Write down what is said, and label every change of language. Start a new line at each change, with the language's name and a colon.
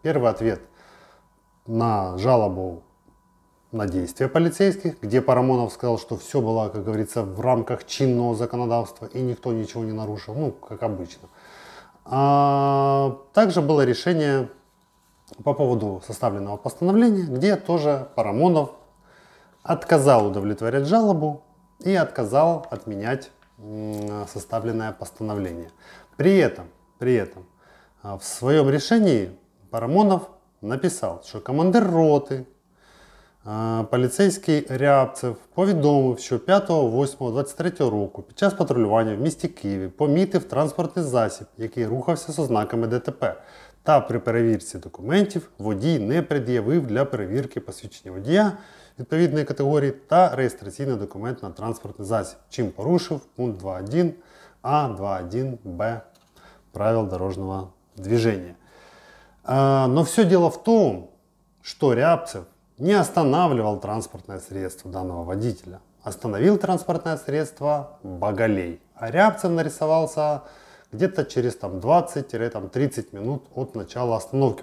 Russian: Первый ответ на жалобу на действия полицейских, где Парамонов сказал, что все было, как говорится, в рамках чинного законодательства и никто ничего не нарушил, ну, как обычно. А также было решение по поводу составленного постановления, где тоже Парамонов отказал удовлетворять жалобу и отказал отменять составленное постановление. При этом, в своем решении Парамонов написал, что командир роты, полицейский Рябцев,
Ukrainian: поведомив, что 5.08.23 року під час патрулювання в місті Києві помітив транспортний засіб, який рухався з ознаками ДТП, та при перевірці документів водій не пред'явив для перевірки посвідчення водія відповідної категорії та реєстраційний документ на транспортний засіб, чим порушив пункт 2.1а, 2.1б правил дорожнього движення.
Russian: Но все дело в том, что Рябцев не останавливал транспортное средство данного водителя. Остановил транспортное средство Багалей. А Рябцев нарисовался где-то через там, 20-30 минут от начала остановки.